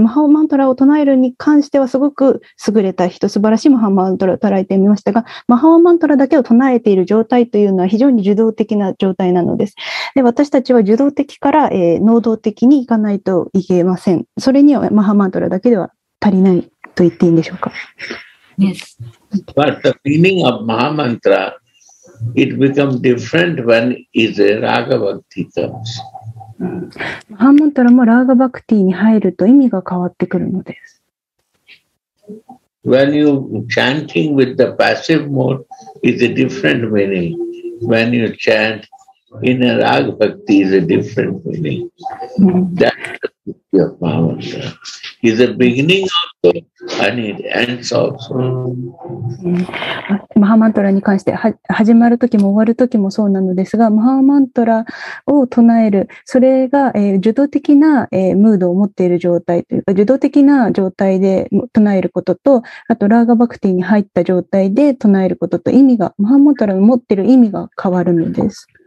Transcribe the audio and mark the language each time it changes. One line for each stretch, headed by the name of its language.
Japanese: マハーマントラを唱えるに関してはすごく優れた人、素晴らしいマハーマントラを唱えてみましたが、マハーマントラだけを唱えている状態というのは非常に受動的な状態なのです。で、私たちは受動的から、能動的に行かないといけません。それにはマハーマントラだけでは足りないと言っていいんでしょうか。
English: Yes. But the meaning of Maha MantraIt becomes different when is a Raga Bhakti comes.
Japanese: Maha Mantra もラーガバクティに入ると意味が変わってくるのです。
English: When you chanting with the passive mode is a different meaning. When you chant in a Raga Bhakti is a different meaning. That's the beauty of Maha Mantra. Is a beginning also and it ends also.
Japanese: マハマントラに関して始まるときも終わるときもそうなのですが、マハマントラを唱える、それが、受動的な、ムードを持っている状態というか、受動的な状態で唱えることと、あとラーガバクティに入った状態で唱えることと意味が、マハマントラの持っている意味が変わるのです。